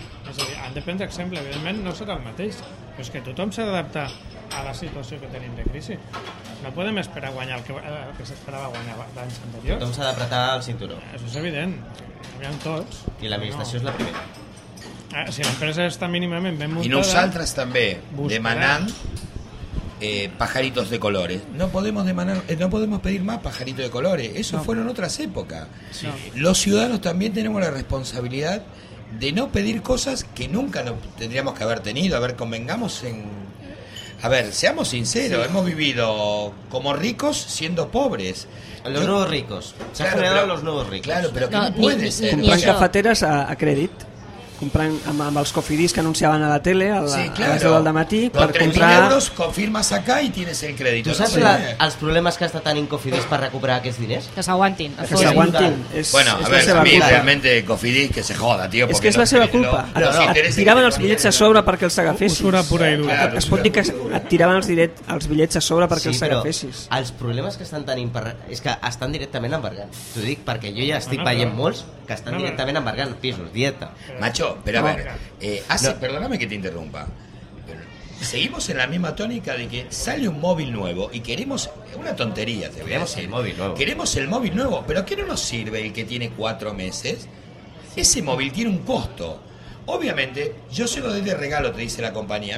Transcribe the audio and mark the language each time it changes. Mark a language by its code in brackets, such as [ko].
[ca] És a dir, han de prendre exemple, evidentment no serà el mateix, però és que tothom s'ha d'adaptar a la situació que tenim de crisi. No podem esperar guanyar el que s'esperava guanyar l'any anterior. Tothom s'ha d'apretar el cinturó. Això és evident. Aviam tots. I l'administració no. És la primera. Si l'empresa està mínimament ben muntada... I nosaltres també, demanant [es] pajaritos de colores. No podemos demanar, no podemos pedir más pajaritos de colores. Eso no. Fueron otras épocas. Sí. Los ciudadanos también tenemos la responsabilidad de no pedir cosas que nunca no tendríamos que haber tenido. A ver, convengamos en... A ver, seamos sinceros, sí. Hemos vivido como ricos siendo pobres. Los yo, nuevos ricos. Se claro, han generado pero, los nuevos ricos. Claro, pero ¿qué no, no puede ser? [ca] Comprant cafeteres a crèdit. Comprant amb els cofidis que anunciaven a la tele a les 10 del dematí. [es] Con [ca] per 3.000 [es] euros confirmes acá y tienes el crèdit. [ca] Tu saps els problemes que està tenint cofidis per recuperar aquests diners? Que s'aguantin. Que s'aguantin. [es] Bueno, a ver, a mí realmente cofidis que se joda, tío. [ca] És que és la seva culpa. Et tiraven els bitllets a sobre perquè els agafessis. Usura pura i dura. Es pot dir que et tiraven els bitllets a sobre perquè els agafessis. Sí, però els problemes que estan tenint és que estan directament embargant. T'ho dic perquè jo ja estic veient molts que estan directament embargant pisos, dieta. [es] Macho, pero a ver, perdóname que te interrumpa, pero seguimos en la misma tónica de que sale un móvil nuevo y queremos una tontería, te voy queremos a decir. El móvil nuevo. Queremos el móvil nuevo, pero ¿qué no nos sirve el que tiene 4 meses? Ese móvil tiene un costo. Obviamente, yo se lo doy de regalo, te dice la compañía.